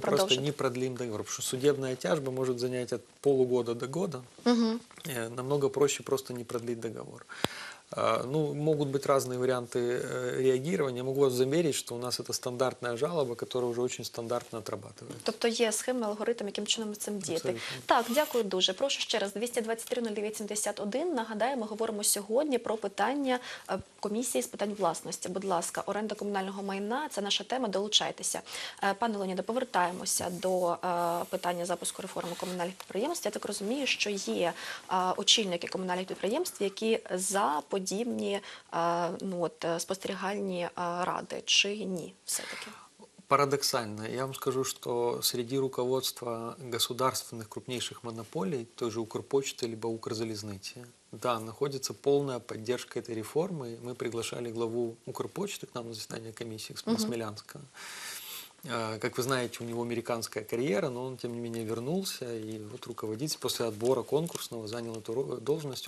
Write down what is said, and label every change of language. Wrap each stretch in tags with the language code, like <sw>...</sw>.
<ru>просто не продлим договор. Потому что судебная тяжба может занять от полугода до года. Угу. Намного проще просто не продлить договор. Ну, могут быть разные варианты реагирования. Могу вас замерить, что у нас это стандартная жалоба, которая уже очень стандартно отрабатывается.</ru> <uk>Тобто є схема, алгоритм, яким чином цим діяти. Так, дякую дуже. Прошу ще раз. 223-0981. Нагадаю, ми говоримо сьогодні про питання комісії з питань власності. Будь ласка, оренда комунального майна – це наша тема. Долучайтеся. Пане Леоніде, повертаємося до питання запуску реформи комунальних підприємств. Я так розумію, що є очільники комунальних підприємств, які за подібні спостерігальні ради, чи ні, все-таки?</uk> <ru>Парадоксально. Я вам скажу, что среди руководства государственных крупнейших монополий, той же Укрпочты, либо Укрзалізниці, да, находится полная поддержка этой реформы. Мы приглашали главу Укрпочты к нам на заседание комиссии, с Смелянска. Как вы знаете, у него американская карьера, но он, тем не менее, вернулся и вот руководит после отбора конкурсного, занял эту должность.</ru>